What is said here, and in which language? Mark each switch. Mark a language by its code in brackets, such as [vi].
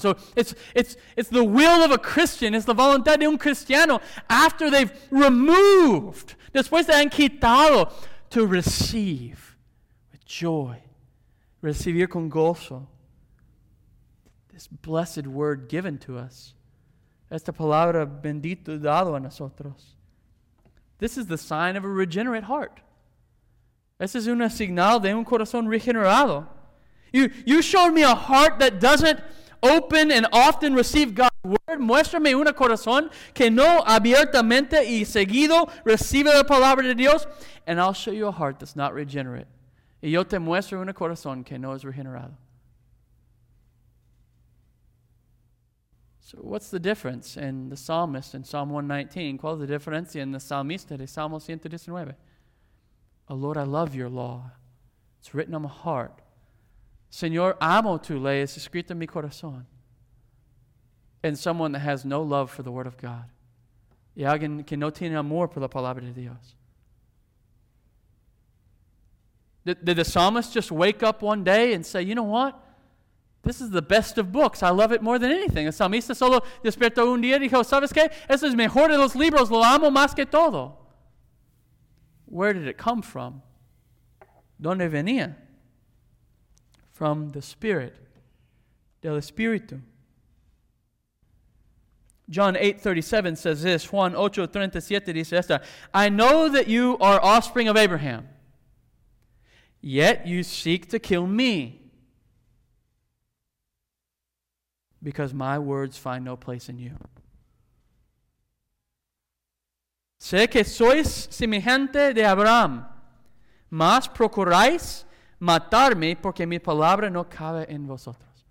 [en] So it's the will of a Christian, it's the [es] voluntad de un cristiano, [en] after they've removed, [es] después de han quitado, [en] to receive with joy, [es] recibir con gozo, [en] this blessed word given to us, [es] esta palabra bendito dado a nosotros. [en] This is the sign of a regenerate heart. This is [es] una señal de un corazón regenerado. [en] You showed me a heart that doesn't open and often receive God's word. [es] Muéstrame un corazón que no abiertamente y seguido recibe la palabra de Dios. [en] And I'll show you a heart that's not regenerate. [es] Y yo te muestro un corazón que no es regenerado. [en] So what's the difference in the psalmist in Psalm 119? [es] ¿Cuál es la diferencia en el salmista de Salmo 119? [en] Oh Lord, I love your law. It's written on my heart. [es] Señor, amo tu ley. Es escrito en mi corazón. [en] And someone that has no love for the word of God. [es] Y alguien que no tiene amor por la palabra de Dios. [en] Did the psalmist just wake up one day and say, you know what? This is the best of books. I love it more than anything. [es] El salmista solo despertó un día y dijo, ¿sabes qué? Eso es mejor de los libros. Lo amo más que todo. [en] Where did it come from? [es] ¿Dónde venía? [en] From the Spirit. [es] Del Espíritu. [en] John 8:37 says this. [es] Juan 8:37 dice esta. [en] I know that you are offspring of Abraham. Yet you seek to kill me. Because my words find no place in you. [es] Sé que sois semejante de Abraham, mas procuráis matarme porque mi palabra no cabe en vosotros.